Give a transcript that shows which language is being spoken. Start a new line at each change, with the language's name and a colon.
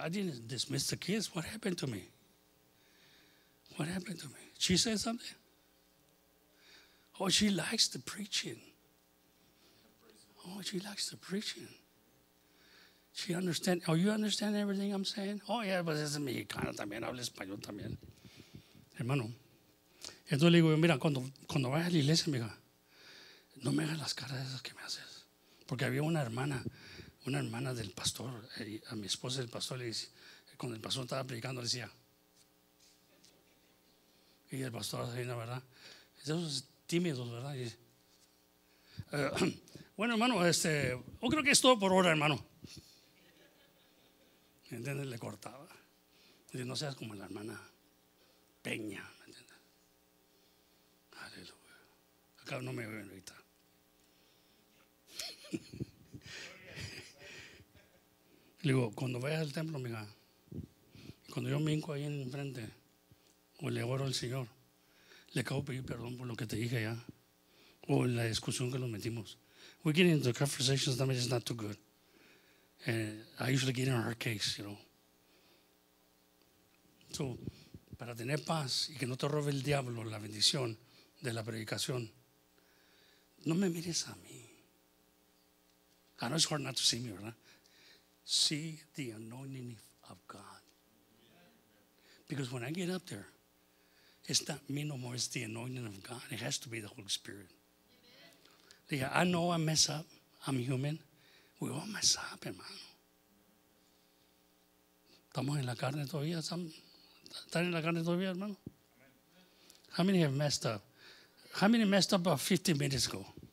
English: I didn't dismiss the kids. What happened to me? What happened to me? She said something? Oh, she likes the preaching. Oh, she likes the preaching. She understand. Oh, you understand everything I'm saying? Oh, yeah, but it's
Spanish: Mexicana también. Habla español también. Hermano. Entonces le digo, mira, cuando vaya a la iglesia, mija, no me hagas las caras esas que me haces. Porque había una hermana del pastor, a mi esposa del pastor, le dice, cuando el pastor estaba predicando, le decía, y el pastor hace una verdad, esos son tímidos, ¿verdad? Y, bueno, hermano, yo creo que es todo por ahora, hermano. ¿Entiendes? Le cortaba. Le dice, no seas como la hermana peña, ¿me entiendes? Aleluya. Acá no me ven ahorita. Le digo, cuando vayas al templo, mira, cuando yo me hinco ahí enfrente, o le oro al Señor, le acabo de pedir perdón por lo que te dije ya, o en la discusión que nos metimos.
English: We get into conversations that is not too good. And I usually get in her case, you know.
Spanish: So, para tener paz y que no te robe el diablo la bendición de la predicación, no me mires a mí.
English: I know it's hard not to see me, ¿verdad? See the anointing of God. Because when I get up there, it's not me no more, it's the anointing of God. It has to be the Holy Spirit. I know I mess up. I'm human. We all mess up, hermano.
Spanish: Estamos en la carne todavía. ¿Están en la carne todavía, hermano?
English: How many have messed up? How many messed up about 50 minutes ago?